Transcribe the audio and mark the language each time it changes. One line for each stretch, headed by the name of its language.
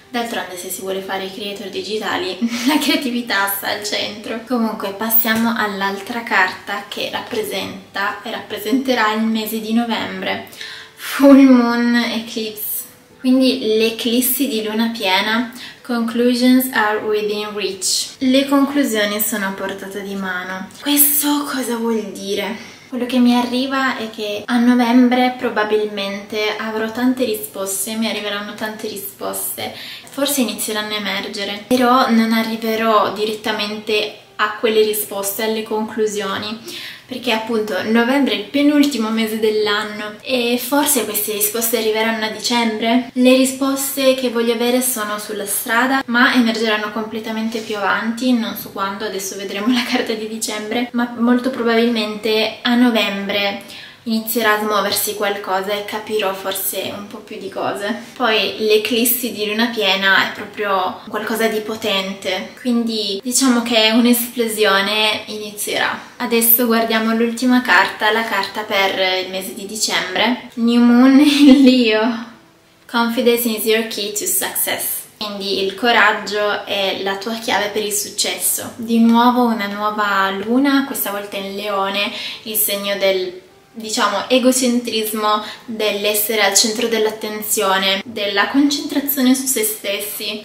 Italian: D'altronde, se si vuole fare i creator digitali, la creatività sta al centro. Comunque, passiamo all'altra carta che rappresenta e rappresenterà il mese di novembre.
English: Full Moon Eclipse.
Italian: Quindi l'eclissi di luna piena.
English: Conclusions are within reach.
Italian: Le conclusioni sono a portata di mano. Questo cosa vuol dire? Quello che mi arriva è che a novembre probabilmente avrò tante risposte, mi arriveranno tante risposte, forse inizieranno a emergere, però non arriverò direttamente a quelle risposte, alle conclusioni, perché appunto novembre è il penultimo mese dell'anno e forse queste risposte arriveranno a dicembre. Le risposte che voglio avere sono sulla strada, ma emergeranno completamente più avanti, non so quando, adesso vedremo la carta di dicembre, ma molto probabilmente a novembre inizierà a smuoversi qualcosa e capirò forse un po' più di cose. Poi l'eclissi di luna piena è proprio qualcosa di potente, quindi diciamo che un'esplosione inizierà. Adesso guardiamo l'ultima carta, la carta per il mese di dicembre.
English: New Moon in Leo. Confidence is your key to success.
Italian: Quindi il coraggio è la tua chiave per il successo. Di nuovo una nuova luna, questa volta in Leone, il segno del, diciamo, egocentrismo, dell'essere al centro dell'attenzione, della concentrazione su se stessi.